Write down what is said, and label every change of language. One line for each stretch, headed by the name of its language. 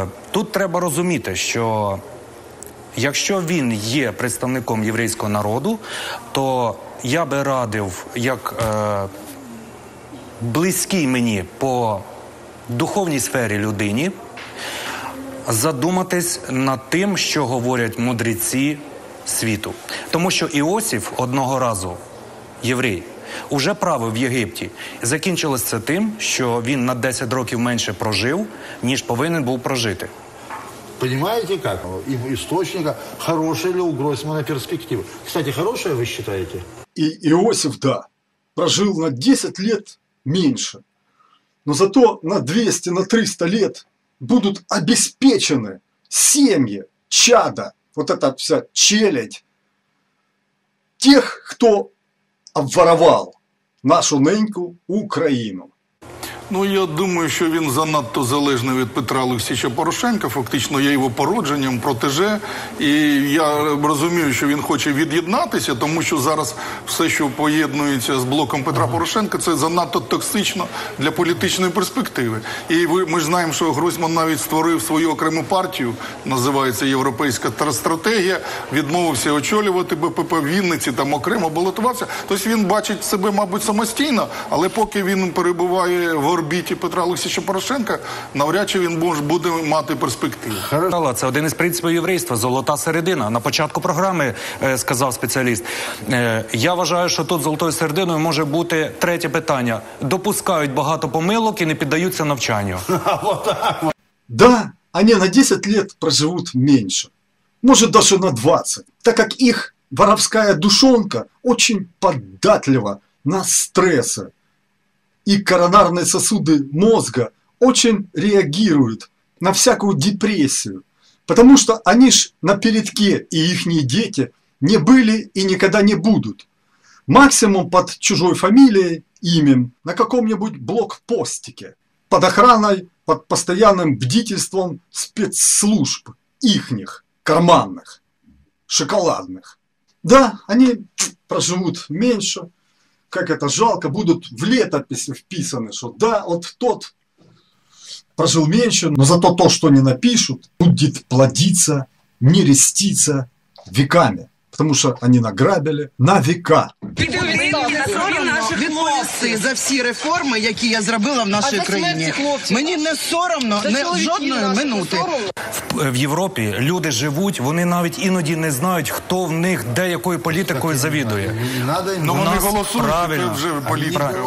Ukrainian: Тут треба розуміти, що якщо він є представником єврейського народу, то я би радив, як близький мені по духовній сфері людині, задуматись над тим, що говорять мудреці світу. Тому що Іосиф одного разу, єврей, уже правив в Єгипті. Закінчилось це тим, що він на 10 років менше прожив, ніж повинен був прожити.
Russian: Понимаете, как? И источника, хорошая ли у Гройсмана перспектива. Кстати, хорошая, вы считаете? И Иосиф, да, прожил на 10 лет меньше. Но зато на 200, на 300 лет будут обеспечены семьи, чада, вот эта вся челядь, тех, кто обворовал нашу неньку Украину.
Ukrainian: Ну, я думаю, що він занадто залежний від Петра Олексійовича Порошенка, фактично є його породженням, протеже. І я розумію, що він хоче від'єднатися, тому що зараз все, що поєднується з блоком Петра Порошенка, це занадто токсично для політичної перспективи. І ми ж знаємо, що Гройсман навіть створив свою окрему партію, називається «Європейська стратегія», відмовився очолювати БПП в Вінниці, там окремо балотуватися. Тобто він бачить себе, мабуть, самостійно, але поки він перебуває в орбіті Петра Олексійовича Порошенка, навряд чи він буде мати перспективу. Це один із принципів єврейства – золота середина. На початку програми сказав спеціаліст. Я вважаю, що тут золотою серединою може бути третє питання. Допускають багато помилок і не піддаються навчанню. Да, вони на 10 лет проживуть менше. Може, даже на 20. Так як їх воровська душонка дуже податлива на стреси.
Russian: И коронарные сосуды мозга очень реагируют на всякую депрессию. Потому что они ж на передке, и ихние дети не были и никогда не будут. максимум под чужой фамилией, именем, на каком-нибудь блокпостике, под охраной, под постоянным бдительством спецслужб, ихних, карманных, шоколадных. Да, они проживут меньше, как это жалко, будут в летописи вписаны, что да, вот тот прожил меньше, но зато то, что они напишут, будет плодиться, нереститься веками. Потому что они награбили на века.
Ukrainian: За всі реформи, які я зробила в нашій країні. Мені не соромно жодної минути. В Європі люди живуть, вони навіть іноді не знають, хто в них де якою політикою завідує. Ну вони голосують, правильно, вже політикою.